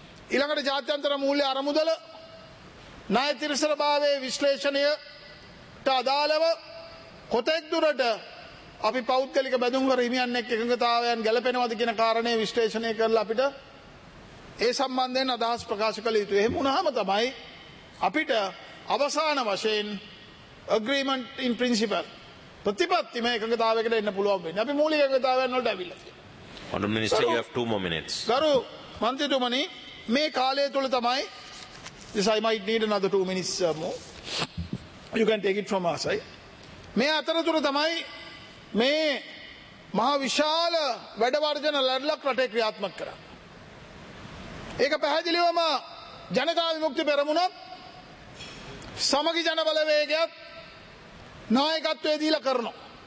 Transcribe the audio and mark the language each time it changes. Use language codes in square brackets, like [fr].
[si] ඊළඟට ජාත්‍යන්තර මූල්‍ය අරමුදල ණය තිරසනභාවයේ විශ්ලේෂණයට අදාළව කොතෙක් දුරට අපි පෞද්ගලික බැඳුම්වල හිමියන් එකඟතාවයන් ගැලපෙනවද කියන කාරණේ විශ්ලේෂණය කරලා අපිට ඒ සම්බන්ධයෙන් අදහස් ප්‍රකාශ කළ යුතුයි. එහෙම වුණාම තමයි අපිට අවසාන වශයෙන් [en] agreement in principle [si] ප්‍රතිපත්ති මේ එකඟතාවයකට එන්න පුළුවන් වෙන්නේ. අපි මූලික එකඟතාවයන් වලට ඇවිල්ලා තියෙනවා. [en] Honorable Minister, you have 2 more minutes. [si] ගරු මන්ත්‍රීතුමනි, මේ කාලය තුල තමයි [en] this I might need another 2 minutes more. You can take it from us. [si] මේ අතරතුර තමයි මේ මහා විශාල වැඩ වර්ජන ලැඩලක් රටේ ක්‍රියාත්මක කරන්නේ. ඒක පැහැදිලිවම ජනතා විමුක්ති පෙරමුණත් සමගි ජන බලවේගයක් නායකත්වයේ දීලා කරනවා.